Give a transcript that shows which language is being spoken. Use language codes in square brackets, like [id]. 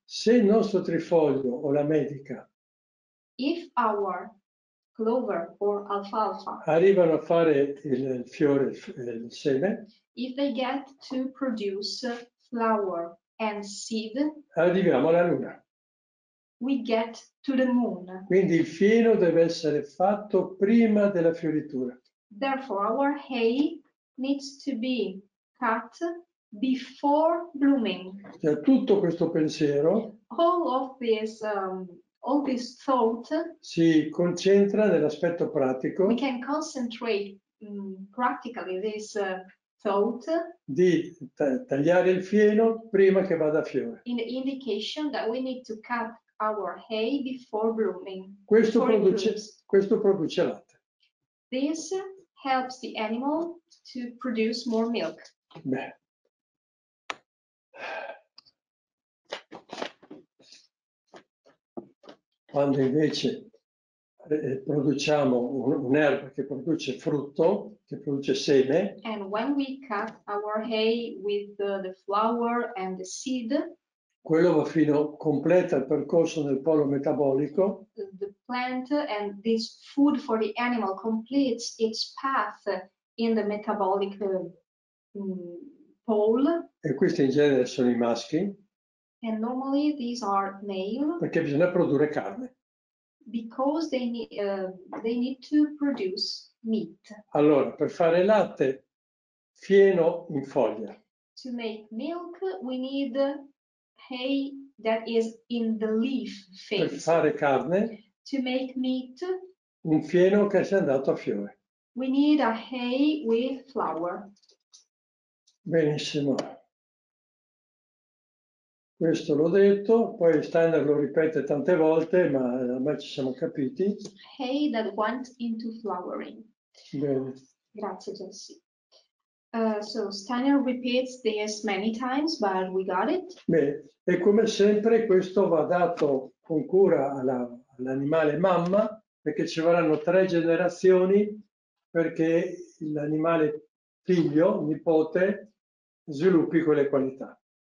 [it] Se il nostro trifoglio o la medica, [en] if our clover or alfalfa, [it] arrivano a fare il fiore, il seme, [en] if they get to produce flower and seed, [it] arriviamo alla luna. [en] We get to the moon. [it] Quindi il fieno deve essere fatto prima della fioritura. [en] Therefore, our hay needs to be cut before blooming. [it] Cioè, tutto questo pensiero, [en] all of this, all this thought, [it] si concentra nell'aspetto pratico. [en] We can concentrate practically this thought [it] di tagliare il fieno prima che vada a fiore. [en] In the indication that we need to cut our hay before blooming. [it] Questo produce latte. [en] This helps the animal to produce more milk. Beh. [it] Quando invece produciamo un'erba che produce frutto, che produce seme. [en] And when we cut our hay with the flower and the seed, [it] quello va fino, completa il percorso nel polo metabolico. [en] The plant and this food for the animal completes its path in the metabolic pole. [it] E questi in genere sono i maschi. [en] And normally these are male. [it] Perché bisogna produrre carne. [en] Because they need to produce meat. [it] Allora, per fare latte, fieno in foglia. [en] To make milk, we need hay that is in the leaf phase. [it] Per fare carne. [en] To make meat. [it] Un fieno che sia andato a fiore. [en] We need a hay with flour. [it] Benissimo. Questo l'ho detto, poi Steiner lo ripete tante volte, ma ormai ci siamo capiti. [en] Hay that went into flowering. [it] Bene. Grazie, Jessie. [en] So Steiner repeats this many times, but we got it. [it] Bene, e come sempre questo va dato con cura all'animale mamma, perché ci vorranno 3 generazioni perché l'animale figlio, nipote, sviluppi quelle qualità.